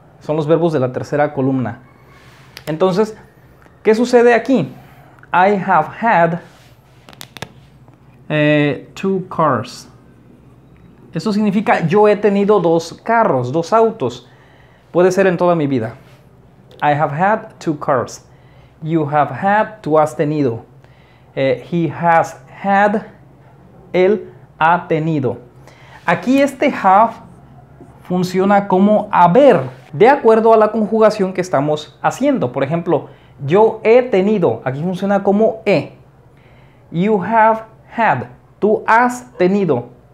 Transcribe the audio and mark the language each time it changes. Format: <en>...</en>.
<es>Son los verbos de la tercera columna. Entonces, ¿qué sucede aquí?</es> <en>I have had two cars.</en> <es>Eso significa yo he tenido dos carros, dos autos. Puede ser en toda mi vida.</es> <en>I have had two cars. You have had,</en> <es>tú has tenido.</es> <en>He has had,</en> <es>él ha tenido. Aquí este have funciona como haber, de acuerdo a la conjugación que estamos haciendo. Por ejemplo, yo he tenido, aquí funciona como he.</es> <en>You have had,</en> <es>tú has tenido.</es>